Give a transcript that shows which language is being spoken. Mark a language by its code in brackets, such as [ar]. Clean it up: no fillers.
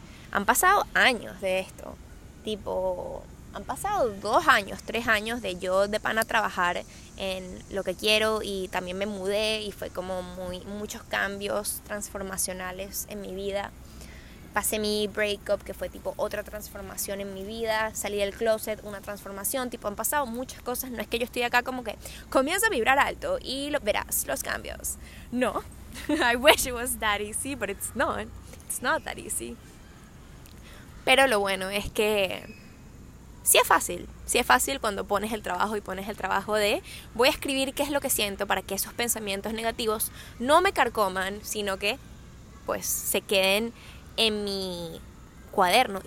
[es] Han pasado años de esto. Tipo, han pasado 2 años, 3 años de yo de pana trabajar en lo que quiero y también me mudé y fue como muchos cambios transformacionales en mi vida. Pasé mi breakup, que fue tipo otra transformación en mi vida. Salí del closet, una transformación. Tipo, han pasado muchas cosas. No es que yo estoy acá como que comienza a vibrar alto y lo verás, los cambios. No. [en] I wish it was that easy, but it's not. It's not that easy. [es] Pero lo bueno es que sí es fácil. Sí es fácil cuando pones el trabajo y pones el trabajo de voy a escribir qué es lo que siento para que esos pensamientos negativos no me carcoman, sino que pues se queden en mi cuaderno.